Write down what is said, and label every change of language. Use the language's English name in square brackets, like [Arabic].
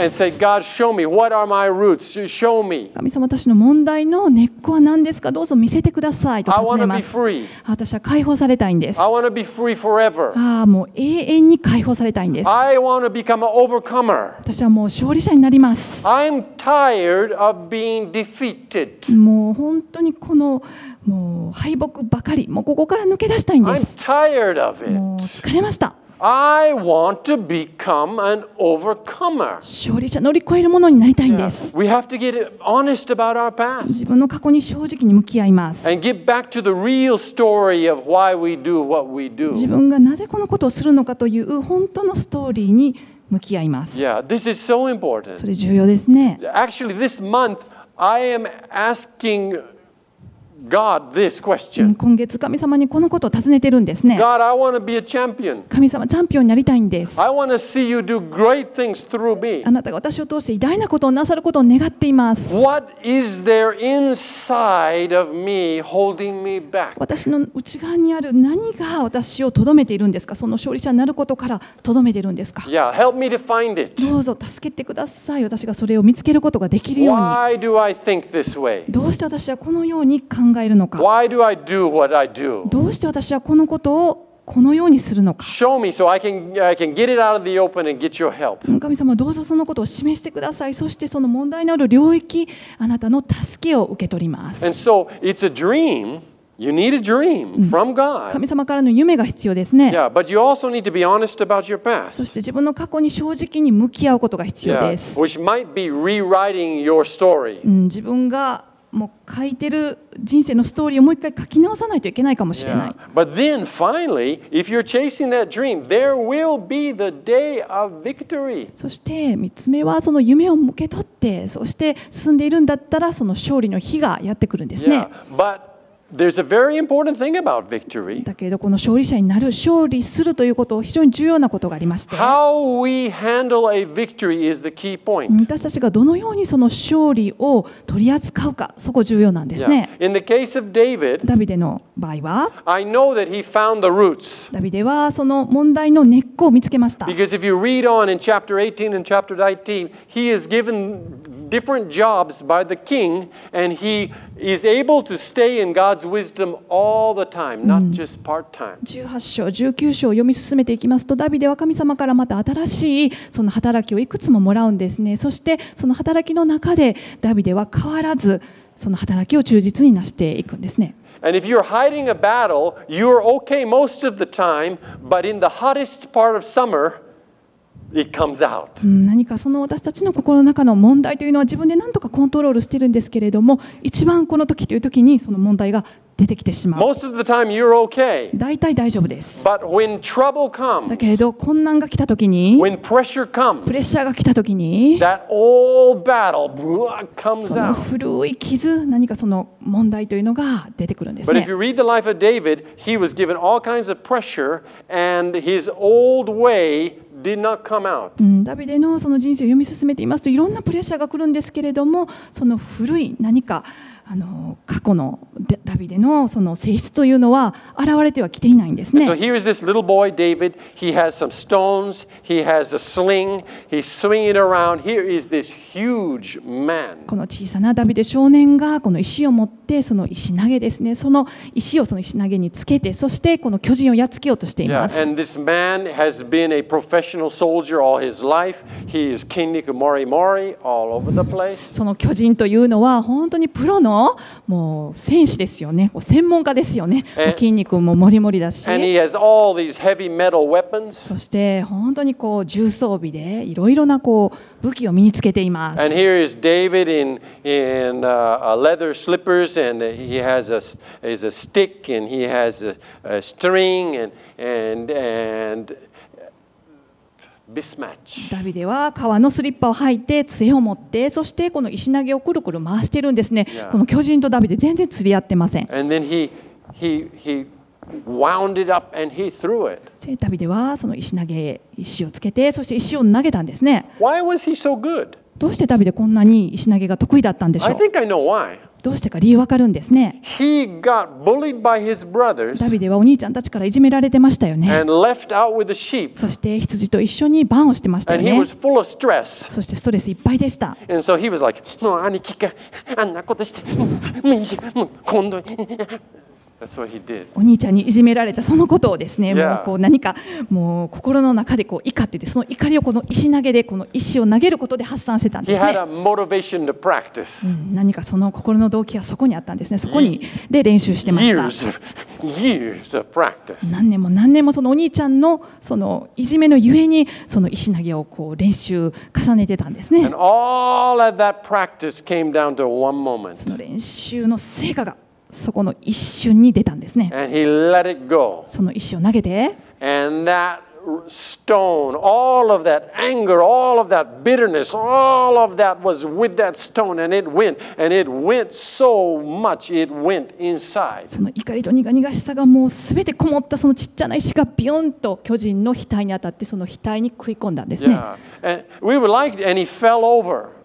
[English] and say, God, show me, what are my roots? Show me. [Japanese] 神様、私の問題の根っこは何ですか、どうぞ見せてくださいと尋ねます。 [English] I wanna be free. [Japanese] 私は解放されたいんです。 [English] I wanna be free forever. [Japanese] ああ、もう永遠に解放されたいんです。 [English] I wanna become an overcomer. [Japanese] 私はもう勝利者になります。 [English] I'm tired of being defeated. [Japanese] もう本当にこのもう敗北ばかり、もうここから抜け出したいんです。 [English] I'm tired of it. [Japanese] もう疲れました。 [English] I want to become an overcomer. [Japanese] 勝利者、乗り越えるものになりたいんです。 [English] We have to get honest about our past. [Japanese] 自分の過去に正直に向き合います。 [English] And get back to the real story of why we do what we do. [Japanese] 自分がなぜこのことをするのかという本当のストーリーに向き合います。 [English] Yeah, this is so important. [Japanese] それ重要ですね。 [English] Actually, this month, I am askinggod this question. [Japanese] 今月神様にこのことを尋ねてるんですね。 [English] God, I want to be a champion. [Japanese] 神様、チャンピオンになりたいんです。 [English] I want to see you do great things through me. [Japanese] あなたが私を通して偉大なことをなさることを願っています。 [English] What is there inside of me holding me back? [Japanese] 私の内側にある何が私をとどめているんですか、その勝利者になることからとどめているんですか。 [English] Yeah, help me to find it. [Japanese] どうぞ助けてください。私がそれを見つけることができるように。 [English] Why do I think this way? [Japanese] どうして私はこのように考えるのか。 [English] Why do I do what I do? [Japanese] どうして私はこのことをこのようにするのか。 [English] Show me so I can get it out of the open and get your help. [Japanese] 神様、どうぞそのことを示してください。そしてその問題のある領域、あなたの助けを受け取ります。 [English] And so it's a dream. You need a dream from God. [Japanese] 神様からの夢が必要ですね。 [English] Yeah, but you also need to be honest about your past. [Japanese] そして自分の過去に正直に向き合うことが必要です。 [English] Yeah, which might be rewriting your story. [Japanese] 自分がもう書いてる人生のストーリーをもう一回書き直さないといけないかもしれない。 [English] Yeah. But then finally, if you're chasing that dream, there will be the day of victory. [Japanese] そして三つ目はその夢を受け取って、そして進んでいるんだったらその勝利の日がやってくるんですね。 [English] Yeah. But there's a very important thing about victory. [Japanese] だけどこの勝利者になる、勝利するということを非常に重要なことがありまして。 [English] How we handle a victory is the key point. [Japanese] 私たちがどのようにその勝利を取り扱うか、そこ重要なんですね。 [English] Yeah. In the case of David, [Japanese] ダビデの場合は、 [English] I know that he found the roots. [Japanese] ダビデはその問題の根っこを見つけました。 [English] Because if you read on in chapter 18 and chapter 19, he is given different jobs by the king and he is able to stay in God's wisdom all the time, not just part-time. [Japanese] 18章、19章を読み進めていきますと、ダビデは神様からまた新しいその働きをいくつももらうんですね。そしてその働きの中でダビデは変わらずその働きを忠実に成していくんですね。 [English] And if you're hiding a battle, you're okay most of the time, but in the hottest part of summer,It comes out. [Japanese] 何かその私たちの心の中の問題というのは自分で何とかコントロールしてるんですけれども、一番この時という時にその問題が出てきてしまう。 [English] Most of the time you're okay. [Japanese] 大体大丈夫です。 [English] But when trouble comes, [Japanese] だけれど困難が来た時に、 [English] when pressure comes, [Japanese] プレッシャーが来た時に、 [English] that old battle, blah, comes out. [Japanese] その古い傷、何かその問題というのが出てくるんですね。 [English] But if you read the life of David, he was given all kinds of pressure and his old wayDid not come out. [Japanese] ダビデのその人生を読み進めていますと、いろんなプレッシャーが来るんですけれども、その古い何かあの過去のダビデのその性質というのは現れてはきていないんですね。 [English] So here is this little boy David. He has some stones. He has a sling. He's swinging around. Here is this huge man. [Japanese] この小さなダビデ少年がこの石を持って、その石投げですね、その石をその石投げにつけて、そしてこの巨人をやっつけようとしています。 [English] Yeah, and this man has been a professional soldier all his life. He is [Japanese] Kenniku Morimori [English] all over the place. [Japanese] その巨人というのは本当にプロのもう戦士ですよね、専門家ですよね。 [English] and, [Japanese] 筋肉ももりもりだし、 [English] and he has all these heavy metal weapons. [Japanese] そして本当にこう重装備でいろいろなこう武器を身につけています。 [English] and here is David in leather slippers and he has a stick and he has a string and mismatch. [Japanese] ダビデは革のスリッパを履いて杖を持って、そしてこの石投げをくるくる回してるんですね。 [English] Yeah. [Japanese] この巨人とダビデ全然釣り合ってません。 [English] And then he wound it up and he threw it. [Japanese] ダビデはその石投げ、石をつけて、そして石を投げたんですね。 [English] Why was he so good? [Japanese] どうしてダビデこんなに石投げが得意だったんでしょう。 [English] I think I know why. [Japanese] どうしてか理由わかるんですね。 [English] He got bullied by his brothers. [Japanese] ダビデはお兄ちゃんたちからいじめられてましたよね。 [English] And left out with the sheep. [Japanese] そして羊と一緒に晩をしてましたよね。 [English] And he was full of stress. [Japanese] そしてストレスいっぱいでした。 [English] And so he was like, [Japanese] もう兄貴があんなことして、もう今度。 [English] That's what he did. [Japanese] お兄ちゃんにいじめられたそのことをですね、もうこう何かもう心の中でこう怒ってて、その怒りをこの石投げで、この石を投げることで発散してたんですね。 [English] He had a motivation to practice. [Japanese] 何かその心の動機はそこにあったんですね。そこにで練習してました。 [English] Years of practice. [Japanese] 何年も何年もそのお兄ちゃんのそのいじめのゆえに、その石投げをこう練習重ねてたんですね。 [English] And all of that practice came down to one moment. [Japanese] その練習の成果がそこの一瞬に出たんですね。 [English] And he let it go. [Japanese] その石を投げて、 [English] And that stone, all of that anger, all of that bitterness, all of that was with that stone, and it went so much, it went inside. [Japanese] その怒りと苦々しさがもうすべてこもったそのちっちゃな石がビュンと巨人の額に当たってその額に食い込んだんですね。 [English] Yeah. And we would like it, and he fell over.